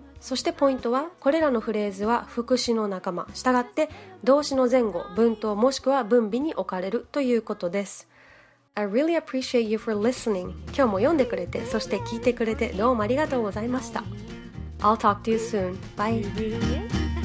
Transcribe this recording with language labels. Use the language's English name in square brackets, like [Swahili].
[Japanese] そしてポイントは、これらのフレーズは副詞の仲間、したがって動詞の前後、文頭もしくは文尾に置かれるということです。 [English] I really appreciate you for listening. [Japanese] 今日も読んでくれて、そして聞いてくれて、どうもありがとうございました。 [English] I'll talk to you soon. Bye.